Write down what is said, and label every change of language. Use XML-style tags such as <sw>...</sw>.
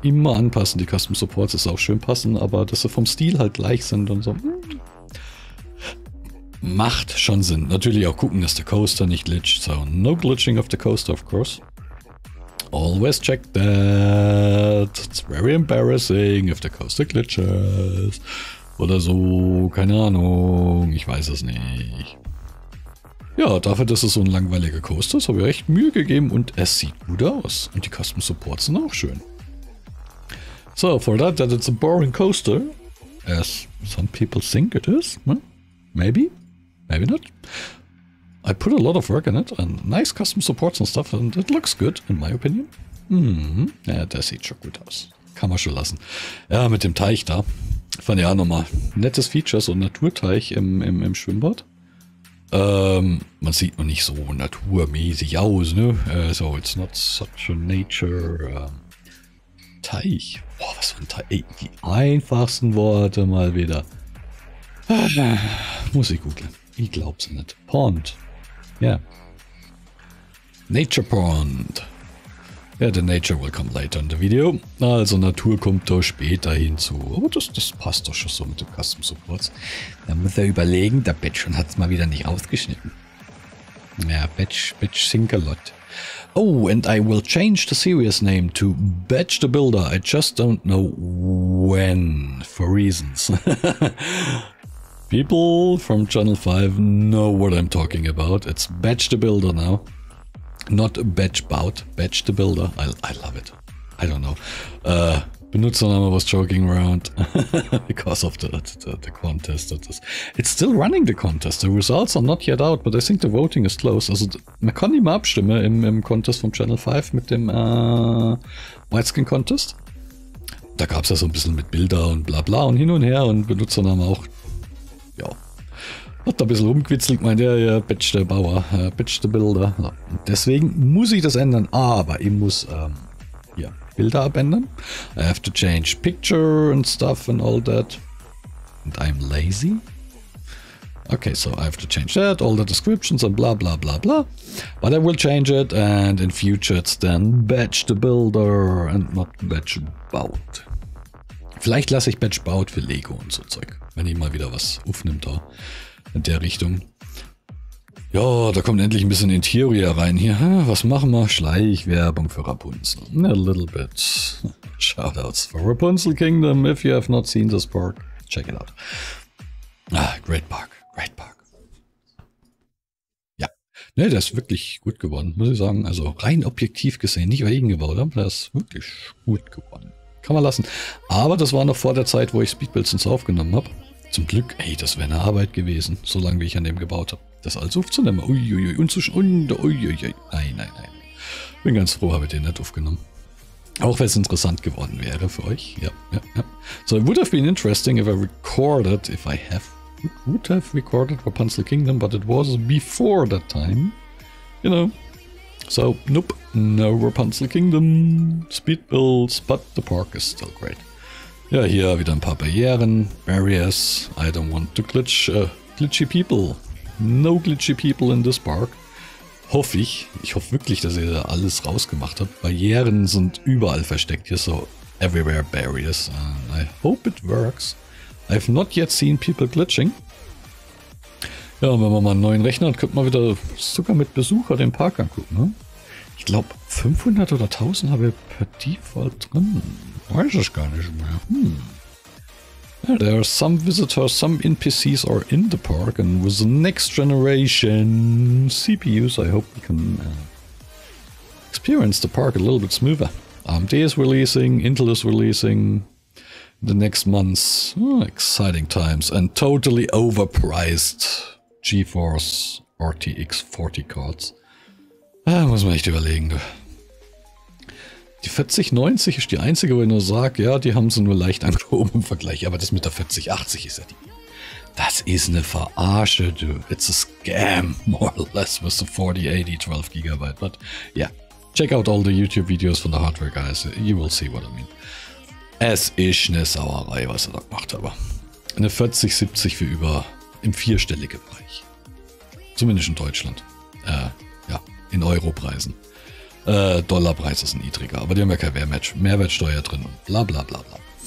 <de>Die Custom Supports ist auch schön passen, aber dass sie vom Stil halt gleich sind und so. Macht schon Sinn. Natürlich auch gucken, dass der Coaster nicht glitcht.</de> <en>So, no glitching of the coaster, of course. Always check that. It's very embarrassing if the coaster glitches.</en> <de>Oder so, keine Ahnung, ich weiß es nicht. Ja, dafür, dass es so ein langweiliger Coaster ist, habe ich echt Mühe gegeben und es sieht gut aus. Und die Custom Supports sind auch schön.</de> <en>So, for that it's a boring coaster, as some people think it is, maybe not. I put a lot of work in it and nice Custom Supports and stuff and it looks good, in my opinion.</en> <de>Ja, das sieht schon gut aus. Kann man schon lassen. Ja, mit dem Teich da. Fand ich auch nochmal. Nettes Feature, so ein Naturteich im Schwimmbad. Man sieht noch nicht so naturmäßig aus, ne?</de> <en>So, it's not such a nature Teich.</en> <de>Boah, was für ein Teich. Ey, die einfachsten Worte mal wieder. Muss ich googeln. Ich glaub's nicht. Pond. Ja. Yeah.</de> <en>Nature Pond. Ja, the nature will come later in the video.</en> <de>Also Natur kommt doch später hinzu. Aber das passt doch schon so mit den Custom Supports. Da muss er überlegen, der Batch schon hat es mal wieder nicht rausgeschnitten.</de> <en>Ja, Batch sink a lot. Oh, and I will change the series name to Batch the Builder. I just don't know when, for reasons. People from Channel 5 know what I'm talking about. It's Batch the Builder now. Not a batch bout, batch the builder. I love it. I don't know. Benutzername was joking around because of the contest. It's still running the contest. The results are not yet out, but I think the voting is close.</en> <de>Also, man kann immer abstimmen im Contest vom Channel 5 mit dem Whiteskin Contest. Da gab es ja so ein bisschen mit Bilder und bla bla und hin und her und Benutzername auch. Ja. Hat da ein bisschen rumgewitzelt, meint er, ja, Batch der Bauer, Batch der Builder. Ja. Und deswegen muss ich das ändern, aber ich muss Bilder abändern.</de> <en>I have to change picture and stuff and all that. And I'm lazy. Okay, so I have to change that, all the descriptions and bla bla bla bla. But I will change it and in future it's then Batch the Builder and not Batch Baut.</en> <de>Vielleicht lasse ich Batch Baut für Lego und so Zeug, wenn ich mal wieder was aufnimmt da. In der Richtung. Ja, da kommt endlich ein bisschen Interior rein hier. Was machen wir? Schleichwerbung für Rapunzel.</de> <en>A little bit. Shoutouts for Rapunzel Kingdom. If you have not seen this park, check it out. Ah, great park. Great park.</en> <de>Ja. Ne, der ist wirklich gut geworden, muss ich sagen. Also rein objektiv gesehen, nicht weil ich ihn gebaut habe. Der ist wirklich gut geworden. Kann man lassen. Aber das war noch vor der Zeit, wo ich Speedbuilds ins aufgenommen habe. Zum Glück, ey, das wäre eine Arbeit gewesen, so lange wie ich an dem gebaut habe. Das alles aufzunehmen. Uiuiui, und zu nein, nein, nein. Bin ganz froh, habe ich den nicht aufgenommen. Auch wenn es interessant geworden wäre für euch. Ja, ja, ja.</de> <en>So, it would have been interesting if I recorded, if I have. Would have recorded Rapunzel Kingdom, but it was before that time. You know. So, nope. No Rapunzel Kingdom. Speed builds, but the park is still great.</en> <de>Ja, hier wieder ein paar Barrieren.</de> <en>Barriers. I don't want to glitch. Glitchy people. No glitchy people in this park.</en> <de>Hoffe ich. Ich hoffe wirklich, dass ihr da alles rausgemacht habt. Barrieren sind überall versteckt. Hier so</de> <en>everywhere barriers. I hope it works. I've not yet seen people glitching.</en> <de>Ja, und wenn man mal einen neuen Rechner hat, könnte man wieder sogar mit Besucher den Park angucken. Ne? Ich glaube, 500 oder 1000 habe ich per Default drin. Weiß ich gar nicht mehr. Hm.</de> <en>Yeah, there are some visitors, some NPCs are in the park and with the next generation CPUs, I hope we can experience the park a little bit smoother. AMD is releasing, Intel is releasing. The next months, exciting times, and totally overpriced GeForce RTX 40 cards.</en> <de>Muss man echt überlegen. Die 4090 ist die einzige, wo ich nur sage, ja, die haben sie nur leicht angehoben im Vergleich, aber das mit der 4080 ist ja die. Das ist eine Verarsche, du.</de> <en>It's a scam, more or less, with the 4080 12GB. But yeah, check out all the YouTube videos von the Hardware Guys. You will see what I mean.</en> <de>Es ist eine Sauerei, was er da gemacht hat. Eine 4070 für über im vierstelligen Bereich. Zumindest in Deutschland. Ja, in Europreisen. Dollarpreise sind niedriger, aber die haben ja keine Mehrwertsteuer drin und bla bla bla bla.</de>